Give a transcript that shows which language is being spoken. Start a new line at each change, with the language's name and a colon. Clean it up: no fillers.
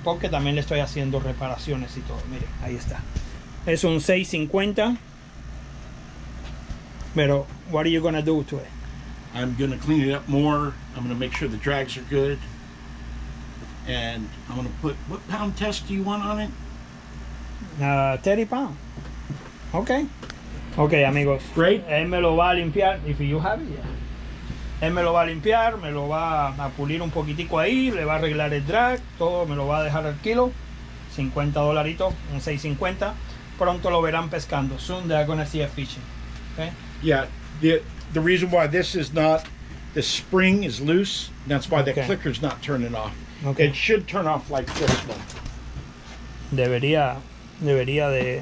Spanish: Porque también le estoy haciendo reparaciones y todo. Mire, ahí está. Es un 650.
English: Pero, what are you going to do to it? I'm going to clean it up more. I'm going to make sure the drags are good. And I'm going to put, what pound test do you want on it? 30 pounds. Okay. Okay, amigos. Great.
Spanish: Él me lo va a limpiar.
English: If you have it, yeah.
Spanish: Él me lo va a limpiar, me lo va a pulir un poquitico ahí, le va a arreglar el drag, todo, me lo va a dejar al kilo. $50, un 650. Pronto lo verán pescando.
English: Soon they are going to see a fishing. Okay. Yeah, the reason why this is not, the spring is loose, and that's why okay. The clicker's not turning off. Okay. It should turn off like this one.
Spanish: Debería de...